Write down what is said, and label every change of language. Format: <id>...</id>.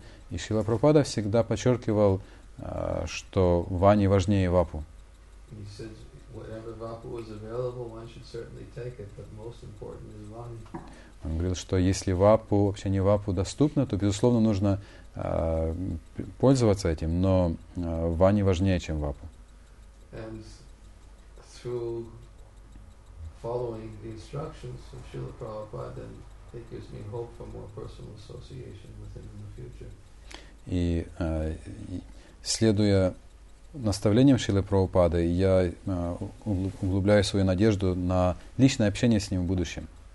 <ru>И Шрила Прабхупада всегда подчеркивал, что Вани важнее Вапу.</ru> <en>Whatever Vapu was available, one should certainly take it, but most important is Vani.</en> <ru>Он говорил, что если Вапу, вообще не Вапу доступно, то безусловно нужно пользоваться этим, но Вани важнее, чем Вапу.</ru> <en>And through following the instructions of Srila Prabhupada, then it gives me hope for more personal association with him in the future.</en> <ru>И следуя наставлением Шрилы Прабхупады, я углубляю свою надежду на личное общение с ним в будущем.</ru>